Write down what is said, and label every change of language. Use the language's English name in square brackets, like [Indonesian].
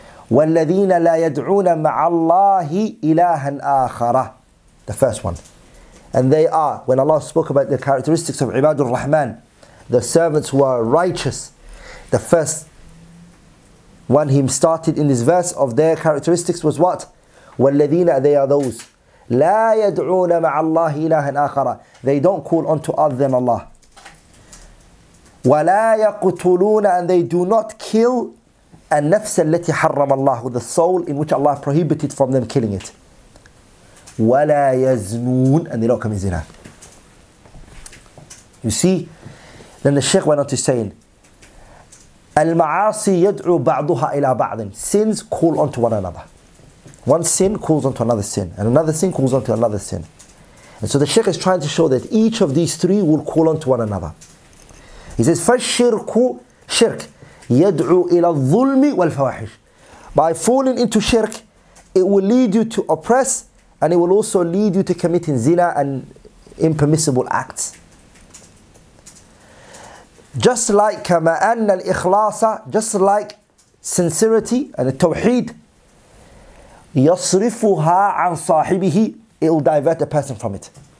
[Arabic] وَالَّذِينَ لَا يَدْعُونَ مَعَ اللَّهِ إِلَهًا آخَرَ. [English] The first one. And they are, when Allah spoke about the characteristics of [Arabic] عباد الرحمن, [English] the servants who are righteous, the first one he started in this verse of their characteristics was what? [Arabic] والذين, [English] they are those. [Arabic] لا يدعون مع الله إلها آخر. [English] They don't call unto other than Allah. [Arabic] ولا يقتلون, [English] and they do not kill [Arabic] النفس التي حرم الله, [English] the soul in which Allah prohibited from them killing it. [Arabic] ولا يزنون, [English] and they don't commit zina. You see, then the Shaykh went on to saying, [Arabic] المعاصي يدعو بعضها إلى بعض. [English] Sins call onto one another. One sin calls onto another sin, and another sin calls onto another sin. And so the Shaykh is trying to show that each of these three will call onto one another. He says, [Arabic] فالشرك شرك يدعو إلى الظلم والفواحش. [English] By falling into shirk, it will lead you to oppress, and it will also lead you to committing zina and impermissible acts. Just like [Arabic] كما أن الإخلاص, [English] just like sincerity and the tawheed, [Arabic] يصرفها عن صاحبه, [English] it will divert a person from it.